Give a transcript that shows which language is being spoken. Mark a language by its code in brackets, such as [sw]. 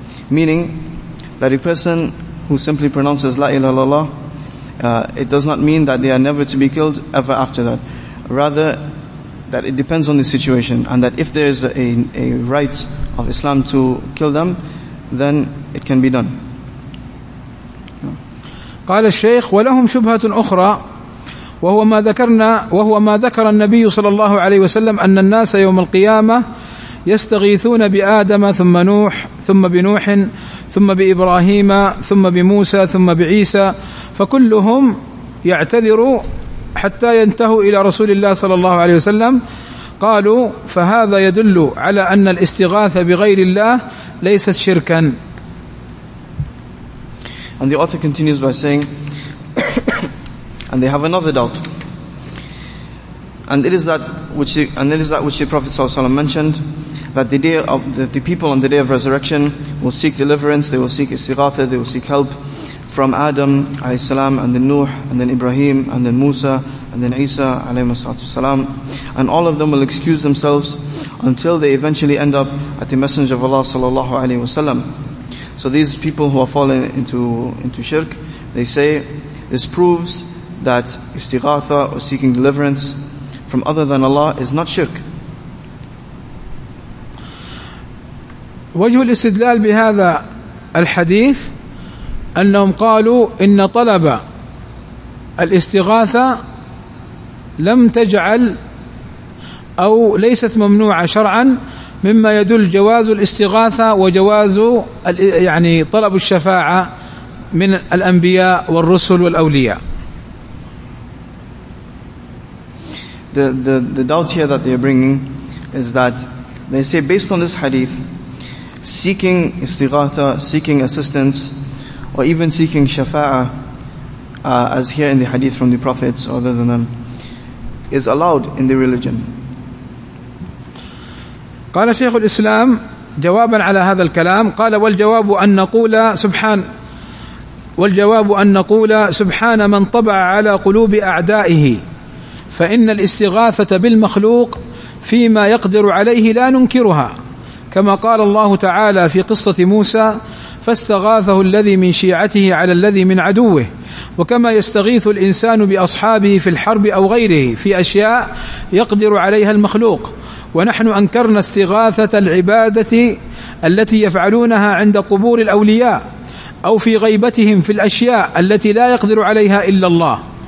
[en] Meaning, that a person who simply pronounces La ilaha illallah, it does not mean that they are never to be killed ever after that. Rather, that it depends on the situation, and that if there is a right of Islam to kill them, then it can be done. [ar] قال الشيخ ولهم شبهة أخرى وهو ما ذكرنا وهو ما ذكر النبي صلى الله عليه وسلم أن الناس يوم القيامة يستغيثون بآدم ثم نوح ثم بنوح ثم بإبراهيم ثم بموسى ثم بعيسى فكلهم يعتذر حتى ينتهوا إلى رسول الله صلى الله عليه وسلم قالوا فهذا يدل على أن الاستغاثة بغير الله ليست شركا. [en] And the author continues by saying, and they have another doubt, and it is that which the Prophet ﷺ mentioned, that the people on the day of resurrection will seek deliverance, they will seek istighatha, they will seek help from Adam alayhi salam, and then Nuh, and then Ibrahim, and then Musa, and then Isa alayhi salam, and all of them will excuse themselves until they eventually end up at the Messenger of Allah sallallahu alayhi wasallam. So these people who are falling into shirk, they say, this proves that istighatha, or seeking deliverance from other than Allah, is not shirk. [ar] وجه الاستدلال بهذا الحديث أنهم قالوا إن طلب الاستغاثة لم تجعل أو ليست ممنوعة شرعا مما يدل جواز الاستغاثة وجواز يعني طلب الشفاعة من الأنبياء والرسل والأولياء. [en] The doubt here that they're bringing is that they say based on this hadith, seeking istighatha, seeking assistance, or even seeking shafa'ah, as here in the hadith from the prophets other than them, is allowed in the religion. [ar] قال شيخ الإسلام جوابا على هذا الكلام قال والجواب أن نقول سبحان والجواب أن نقول سبحان من طبع على قلوب أعدائه فإن الاستغاثة بالمخلوق فيما يقدر عليه لا ننكرها كما قال الله تعالى في قصة موسى فاستغاثه الذي من شيعته على الذي من عدوه وكما يستغيث الإنسان بأصحابه في الحرب أو غيره في أشياء يقدر عليها المخلوق ونحن أنكرنا استغاثة العبادة التي يفعلونها عند قبور الأولياء أو في غيبتهم في الأشياء التي لا يقدر عليها إلا الله.